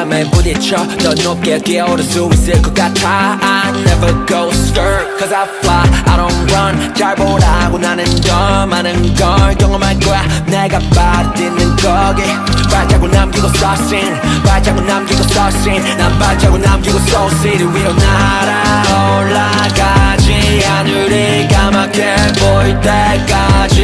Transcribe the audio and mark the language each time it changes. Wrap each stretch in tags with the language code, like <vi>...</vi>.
<ko>부딪혀 더 높게 뛰어오를 수 있을 것 같아.</ko> <en>I never go skirt cause I fly, I don't run.</en> <ko>잘 보라고 나는 더 많은 걸 경험할 거야. 내가 발딛는 거기 발자국 남기고 서신, 발자국 남기고 서신. 난 발자국 남기고 Soul City 위로 날아 올라가지. 하늘이 까맣게 보일 때까지.</ko>